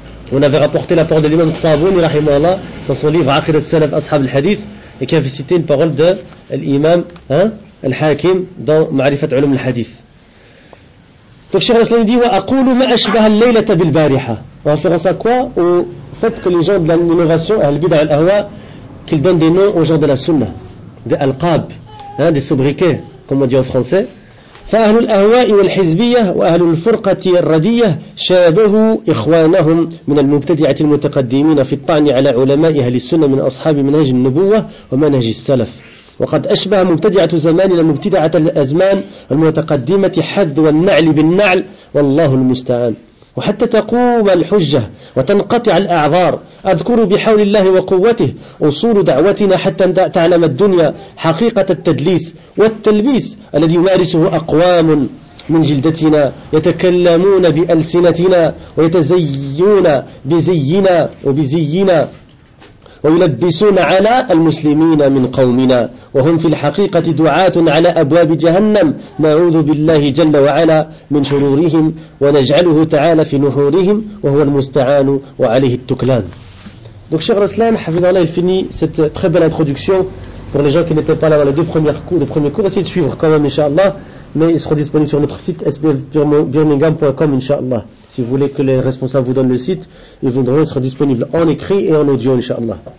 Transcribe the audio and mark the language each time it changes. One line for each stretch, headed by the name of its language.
French: On avait rapporté la parole de l'imam Sabouni, rahimahullah, dans son livre Aqid al-Salaf Ashab al-Hadith, et qui avait cité une parole de l'imam, hein, al-Hakim, dans Ma'rifat Ulum al-Hadith. Donc, Cheikh Raslan dit:
Arabic: wa aqulu ma ashbaha al-laylata bil-bariha.
French: En référence à quoi? Au fait que les gens de l'innovation, al-bid'a al-ahwa, qu'ils donnent des noms aux gens de la sunna, des al-qab, hein, des sobriquets, comme on dit en français.
Arabic: فأهل الأهواء والحزبية وأهل الفرقة الردية شابهوا إخوانهم من المبتدعة المتقدمين في الطعن على علماء أهل السنة من أصحاب منهج النبوة ومنهج السلف، وقد أشبه مبتدعة زماننا مبتدعة الأزمان المتقدمة حذ والنعل بالنعل، والله المستعان. وحتى تقوم الحجة وتنقطع الأعذار أذكر بحول الله وقوته أصول دعوتنا حتى تعلم الدنيا حقيقة التدليس والتلبيس الذي يمارسه أقوام من جلدتنا يتكلمون بألسنتنا ويتزيون بزينا وبزينا ويلبسون على المسلمين من قومنا وهم في الحقيقة دعاة على أبواب جهنم، نعوذ بالله جل وعلا من شرورهم ونجعله تعالى في نحورهم وهو المستعان وعليه التكلان.
French: Donc Cheikh Raslan, hafidhahullah, il finit cette très belle introduction pour les gens qui n'étaient pas là dans les deux premiers cours, essayez de suivre quand même inshallah, mais ils seront disponibles sur notre site sbfbirmingham.com inshallah. Si vous voulez que les responsables vous donnent le site, ils vont être disponibles en écrit et en audio inshallah.